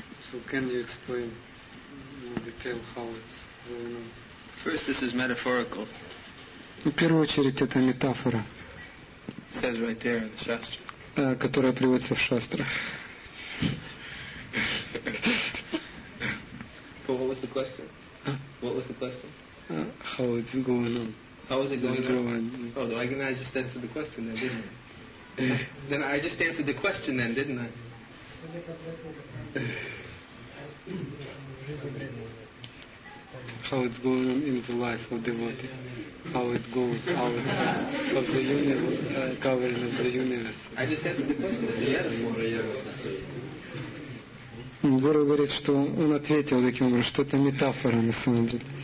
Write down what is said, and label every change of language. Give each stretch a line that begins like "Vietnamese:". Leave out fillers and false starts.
English: So can you explain more detail how it's going on? First, this is metaphorical.
Russian: В первую очередь, это метафора.
English: It says right there in the Shastra.
Russian: Которая приводится в Шастра.
English: But what was the question? What was the question? How is it going on? How is it going on? Oh, I can just answer the question then, didn't I? Then I just answered the question then, didn't I? How it's going on in the life of devotee, how it goes out of the universe, covering of the universe. I just answered the question. It's a metaphor.
Russian: Гуру говорит, что он ответил таким образом, что это метафора на самом деле.